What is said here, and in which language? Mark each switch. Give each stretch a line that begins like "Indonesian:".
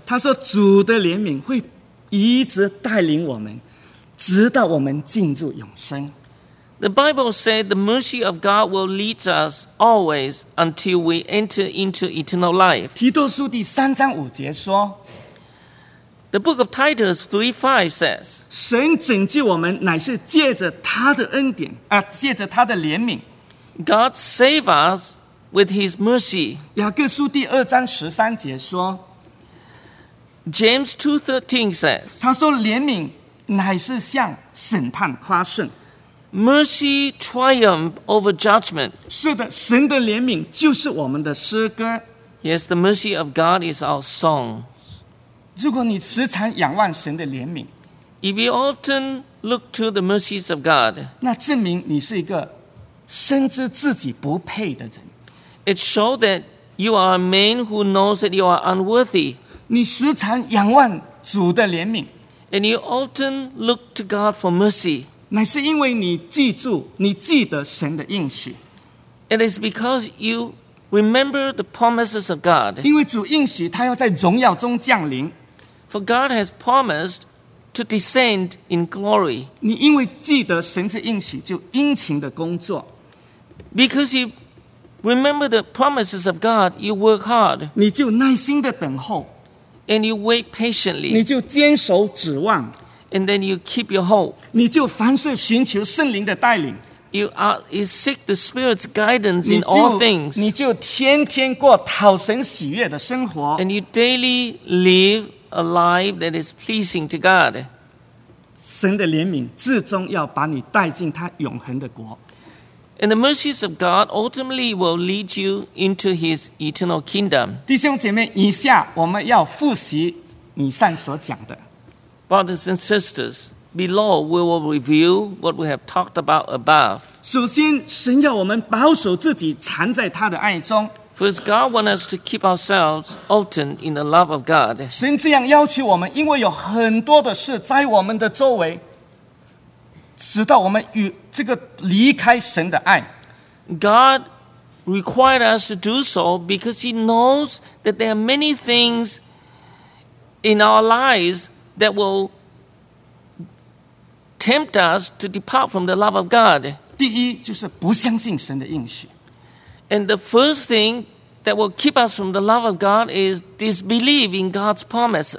Chinese: 他说主的怜悯会一直带领我们，直到我们进入永生。
English: The Bible said the mercy of God will lead us always until we enter into eternal life.
Chinese: 提多书第三章五节说
English: The book of Titus 3:5 says,
Chinese: 神拯救我们乃是借着他的恩典，借着他的怜悯。
English: God save us with his mercy.
Chinese: 雅各书第二章十三节说
English: James 2:13 says,
Chinese: 他说怜悯乃是向审判夸胜。
English: Mercy triumph over judgment.
Chinese: 是的，神的怜悯就是我们的诗歌。
English: Yes, the mercy of God is our song.
Chinese: 如果你时常仰望神的怜悯，
English: If you often look to the mercies of God,
Chinese: 那证明你是一个深知自己不配的人。
English: It shows that you are a man who knows that you are unworthy.
Chinese: 你时常仰望主的怜悯，
English: And you often look to God for mercy.
Chinese: 乃是因为你记住，你记得神的应许。
English: It is because you remember the promises of God.
Chinese: 因为主应许他要在荣耀中降临。
English: For God has promised to descend in glory.
Chinese: 你因为记得神的应许，就殷勤的工作。
English: Because you remember the promises of God, you work hard.
Chinese: 你就耐心的等候。
English: And you wait patiently.
Chinese: 你就坚守指望。
English: And then you keep your hope.
Chinese: 你就凡事寻求圣灵的带领。
English: You seek the Spirit's guidance in all things.
Chinese: 你就天天过讨神喜悦的生活。
English: And you daily live a life that is pleasing to God.
Chinese: 神的怜悯至终要把你带进他永恒的国。
English: And the mercies of God ultimately will lead you into His eternal kingdom.
Chinese: 弟兄姐妹，以下我们要复习以上所讲的。
English: Brothers and sisters, below we will review what we have talked about above.
Chinese: 首先，神要我们保守自己缠在他的爱中。
English: First, God wants us to keep ourselves often in the love of God.
Chinese: 神这样要求我们，因为有很多的事在我们的周围，直到我们与这个离开神的爱。
English: God required us to do so because He knows that there are many things in our lives. That will tempt us to depart from the love of God.
Chinese: 第一就是不相信神的应许。
English: And the first thing that will keep us from the love of God is disbelief in God's promises.